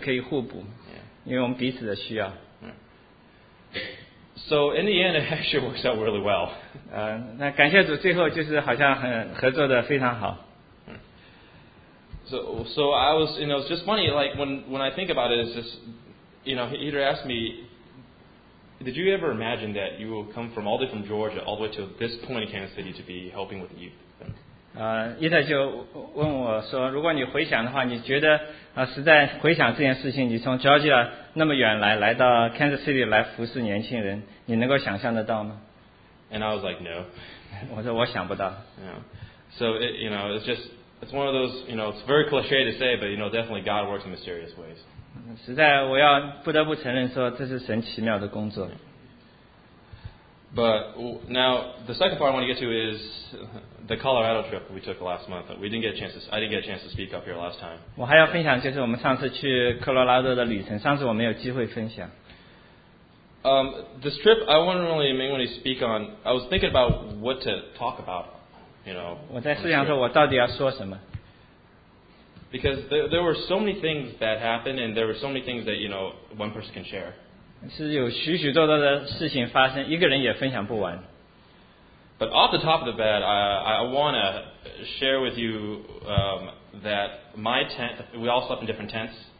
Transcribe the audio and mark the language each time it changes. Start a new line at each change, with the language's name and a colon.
Chinese: 但是我觉得我的性格和伊特是可以互补，因为我们彼此的需要。
English: So in the end, it actually works out really well.
Chinese: 那感谢主，最后就是好像很合作的非常好。
English: So I was, you know, it's just funny. Like when I think about it, it's just, you know, he either asked me. Did you ever imagine that you will come from all the way from Georgia all the way to this point in Kansas City to be helping with the youth?
Chinese: 伊特就问我说，如果你回想的话，你觉得实在回想这件事情，你从 Georgia 那么远来到 Kansas City 来服侍年轻人，你能够想象得到吗？
English: And I was like, no.
Chinese: 我说我想不到。
English: Yeah. So it, you know, it's one of those, you know, it's very cliche to say, but you know, definitely God works in mysterious ways.
Chinese: 实在我要不得不承认说这是神奇妙的工作。
English: But now the second part I want to get to is the Colorado trip we took last month. I didn't get a chance to speak up here last time.
Chinese: 我还要分享就是我们上次去科罗拉多的旅程，上次我没有机会分享。
English: This trip I wouldn't really mainly speak on. I was thinking about what to talk about, you know.
Chinese: 我在思想说我到底要说什么。
English: Because there were so many things that happened, and there were so many things that, you know, one person can share.
Chinese: 是有许许多多的事情发生，一个人也分享不完。
English: But off the top of the bat, I want to share with you that my tent, we all slept in different tents.